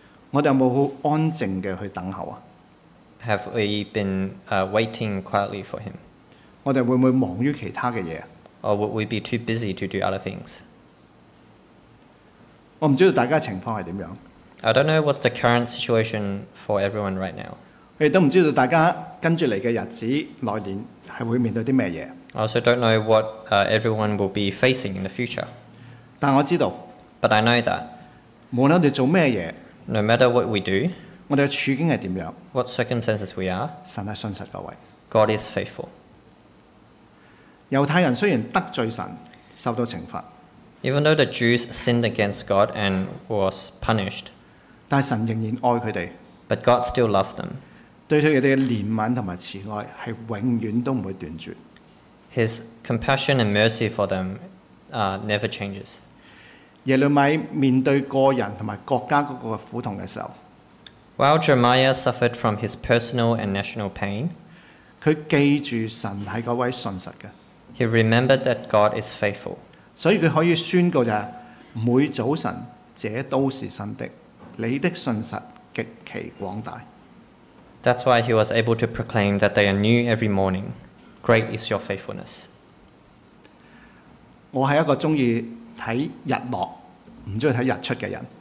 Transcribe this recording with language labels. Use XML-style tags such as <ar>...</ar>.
<yue>我哋有冇好安靜嘅去等候啊？</yue> <en>Have we been waiting quietly for him?</en> <yue>我哋會唔會忙於其他嘅嘢？</yue> <en>Or would we be too busy to do other things?</en> <yue>我唔知道大家情況係點樣。</yue> <en>I don't know what's the current situation for everyone right now.</en> <yue>我都唔知道大家跟住嚟嘅日子來年係會面對啲咩嘢。</yue> <en>I also don't know what everyone will be facing in the future.</en> <yue>但我知道。</yue> <en>But I know that.</en> <yue>無論我哋做咩嘢。</yue> <en>No matter what we do.</en> <yue>我哋嘅處境係點樣。</yue> <en>What circumstances we are.</en> <yue>神係信實嗰位。</yue> <en>God is faithful.</en> <yue>猶太人雖然得罪神，受到懲罰。</yue> <en>Even though the Jews sinned against God and was punished.</en> <yue>但神仍然愛佢哋。</yue> <en>But God still loved them.</en> <yue>對佢哋嘅憐憫同埋慈愛係永遠都唔會斷絕。</yue> <en>His compassion and mercy for them never changes.</en> <yue>耶利米面對個人同埋國家嗰個苦痛嘅時候，</yue> <en>While Jeremiah suffered from his personal and national pain,</en> <yue>佢記住神係嗰位信實嘅。</yue> <en>He remembered that God is faithful.</en> <yue>所以佢可以宣告就係每早晨，這都是新的，你的信實極其廣大。</yue> <en>That's why he was able to proclaim that they are new every morning. Great is your faithfulness.</en> <yue>我是一個喜歡看日落，不喜歡看日出的人。</yue>